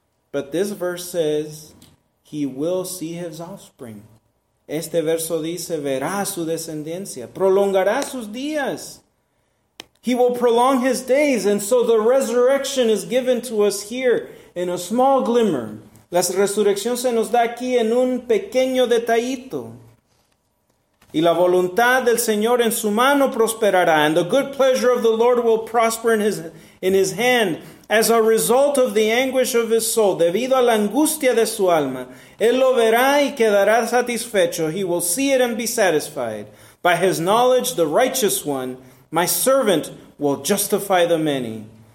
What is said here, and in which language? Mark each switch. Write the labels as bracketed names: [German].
[English] But this verse says, he will see his offspring. [Spanish] Este verso dice, verá su descendencia, prolongará sus días. [English] He will prolong his days. And so the resurrection is given to us here in a small glimmer, [Spanish] La resurrección se nos da aquí en un pequeño detallito. Y la voluntad del Señor en su mano prosperará. [English] And the good pleasure of the Lord will prosper in his hand. As a result of the anguish of his soul, [Spanish] debido a la angustia de su alma, él lo verá y quedará satisfecho. [English] He will see it and be satisfied. By his knowledge, the righteous one, my servant, will justify the many.